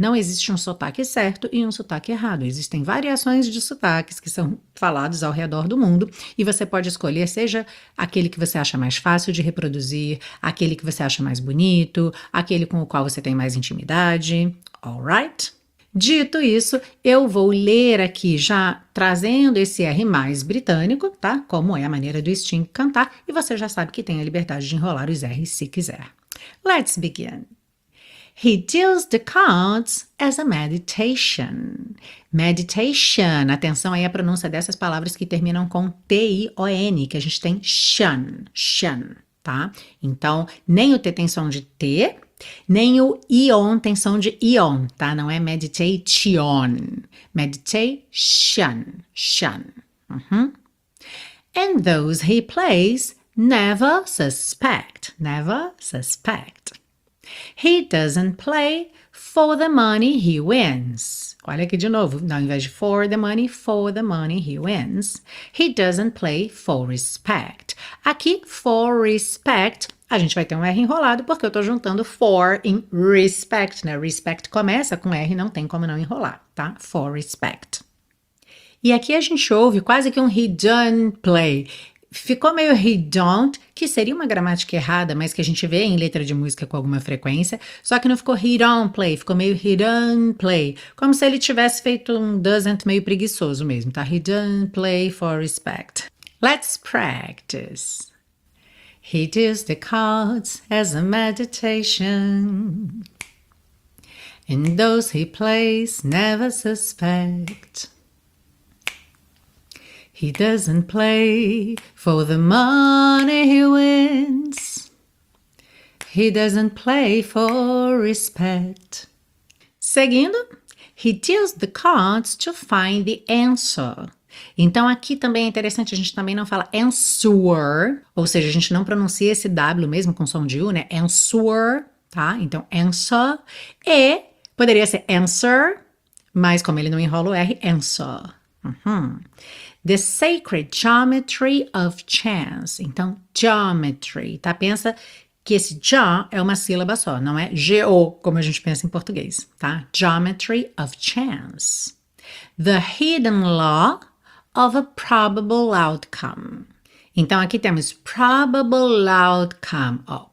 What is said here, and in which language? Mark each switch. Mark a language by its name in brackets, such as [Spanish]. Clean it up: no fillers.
[Portuguese] Não existe um sotaque certo e um sotaque errado. Existem variações de sotaques que são falados ao redor do mundo e você pode escolher seja aquele que você acha mais fácil de reproduzir, aquele que você acha mais bonito, aquele com o qual você tem mais intimidade. [English] All right? [Portuguese] Dito isso, eu vou ler aqui já trazendo esse R mais britânico, tá? Como é a maneira do Sting cantar e você já sabe que tem a liberdade de enrolar os R's se quiser. [English] Let's begin. He deals the cards as a meditation. Meditation. [Portuguese] Atenção aí à pronúncia dessas palavras que terminam com T-I-O-N, que a gente tem shun, shun, tá? Então, nem o T tem som de T, nem o ion tem som de ion, tá? Não é meditation. Meditation, shun. [English] And those he plays never suspect. Never suspect. He doesn't play for the money he wins. [Portuguese] Olha aqui de novo, não, ao invés de [English] for the money he wins. He doesn't play for respect. [Portuguese] Aqui, [English] for respect, [Portuguese] a gente vai ter um R enrolado porque eu estou juntando for em respect, né? Respect começa com R, não tem como não enrolar, tá? For respect. E aqui a gente ouve quase que um he don't play. Ficou meio he don't, que seria uma gramática errada, mas que a gente vê em letra de música com alguma frequência, só que não ficou he don't play, ficou meio he don't play, como se ele tivesse feito um doesn't meio preguiçoso mesmo, tá? [English] He don't play for respect. Let's practice. He deals the cards as a meditation, and those he plays never suspect. He doesn't play for the money he wins. He doesn't play for respect. [Portuguese] Seguindo, [English] he deals the cards to find the answer. [Portuguese] Então, aqui também é interessante, a gente também não fala answer, ou seja, a gente não pronuncia esse W mesmo com som de U, né? Answer, tá? Então, answer. E poderia ser answer, mas como ele não enrola o R, answer. [English] The Sacred Geometry of Chance. [Portuguese] Então, geometry, tá? Pensa que esse ja é uma sílaba só, não é geo, como a gente pensa em português, tá? [English] Geometry of Chance. The Hidden Law of a Probable Outcome. [Portuguese] Então, aqui temos [English] probable outcome, [Portuguese] ó.